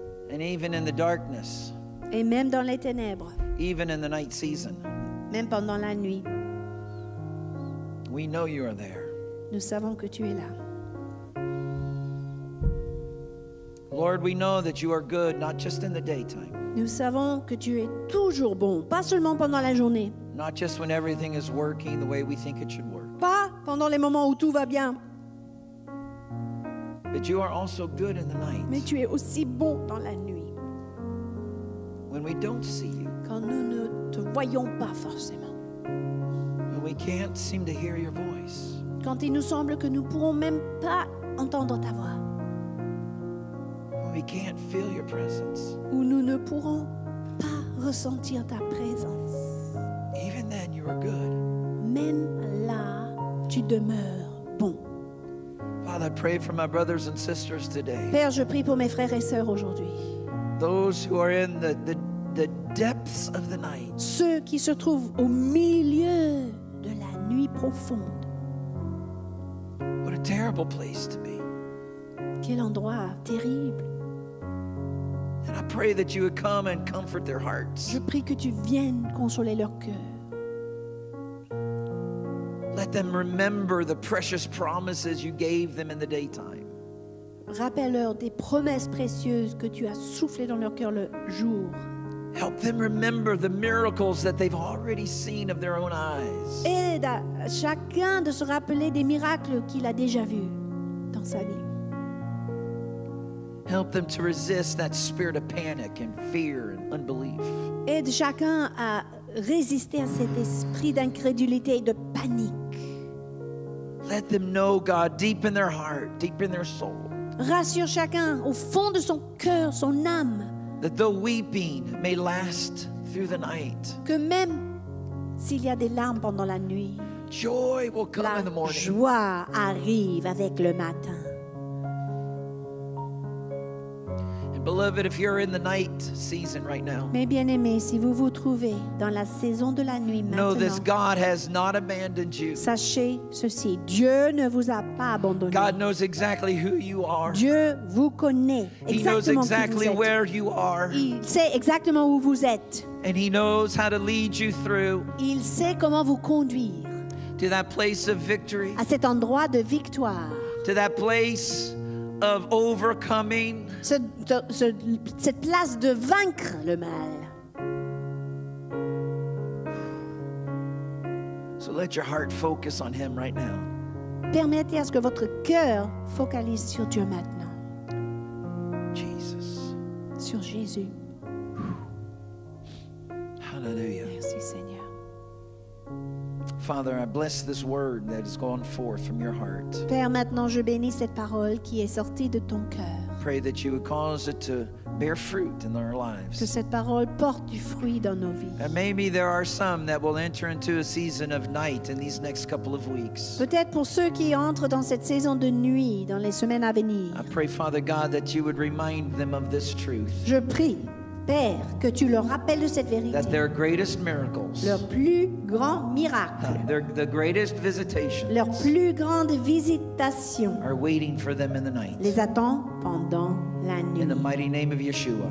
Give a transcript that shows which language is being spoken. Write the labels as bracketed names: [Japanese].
[English] And even in the darkness, [French] Et même dans les ténèbres. [English] Even in the night season. [French] Même pendant la nuit. [English] We know you are there. [French] Nous savons que tu es là. [English] Lord, we know that you are good, not just in the daytime. [French] Nous savons que tu es toujours bon, pas seulement pendant la journée. [English] Not just when everything is working the way we think it should work. [French] Pas pendant les moments où tout va bien. [English] But you are also good in the night. [French] Mais tu es aussi bon dans la nuit. [English] When we don't see you. [French] Quand nous ne te voyons pas forcément. [English] When we can't seem to hear your voice. [French] Quand il nous semble que nous pourrons même pas entendre ta voix. [English] When we can't feel your presence. [French] Où nous ne pourrons pas ressentir ta présence. [English] Even then, you are good. [French] Même là, tu demeures bon. [English] Father, I pray for my brothers and sisters today. [French] Père, je prie pour mes frères et sœurs aujourd'hui. [English] Those who are in the depths of the night. [French] Ceux qui se trouvent au milieu de la nuit profonde. [English] What a terrible place to be. [French] Quel endroit terrible. [English] And I pray that you would come and comfort their hearts. [French] Je prie que tu viennes consoler leur cœur. [English] Let them remember the precious promises you gave them in the daytime. [French] Rappelle-leur des promesses précieuses que tu as soufflées dans leur cœur le jour. [English] Help them remember the miracles that they've already seen of their own eyes. [French] Aide à chacun de se rappeler des miracles qu'il a déjà vus dans sa vie. [English] Help them to resist that spirit of panic and fear and unbelief. [French] Aide chacun à résister à cet esprit d'incrédulité et de panique. [English] Let them know God deep in their heart, deep in their soul. [French] Rassure chacun au fond de son cœur, son âme. [English] That the weeping may last through the night. [French] Que même s'il y a des larmes pendant la nuit, [English] joy will come in the morning. [French] La joie arrive avec le matin. [English] Beloved, if you're in the night season right now, [French] mais bien-aimés, si vous vous trouvez dans la saison de la nuit maintenant, [English] know this, God has not abandoned you. [French] Sachez ceci, Dieu ne vous a pas abandonné. [English] God knows exactly who you are. [French] Dieu vous connaît exactement. [English] He knows exactly [French] qui vous êtes. [English] Where you are. [French] Il sait exactement où vous êtes. [English] And he knows how to lead you through. [French] Il sait comment vous conduire. [English] To that place of victory. [French] À cet endroit de victoire. [English] To that place of overcoming. [French] Cette place de vaincre le mal. [English] So let your heart focus on him right now. [French] Permettez à ce que votre cœur focalise sur Dieu maintenant. [English] Jesus. [French] Sur Jésus. [English] Hallelujah. [French] Merci Seigneur. [English] Father, I bless this word that has gone forth from your heart. [French] Père, maintenant je bénis cette parole qui est sortie de ton cœur. [English] Pray that you would cause it to bear fruit in our lives. [French] Que cette parole porte du fruit dans nos vies. [English] And maybe there are some that will enter into a season of night in these next couple of weeks. [French] Peut-être pour ceux qui entrent dans cette saison de nuit dans les semaines à venir. [English] I pray, Father God, that you would remind them of this truth. [French] Je prie, Père, que tu leur rappelles de cette vérité. [English] That their greatest miracles, [French] leur plus grand miracle, [English] the greatest visitations, [French] leur plus grande visitation, [English] are waiting for them in the night. [French] Les attend pendant la nuit. [English] In the mighty name of Yeshua.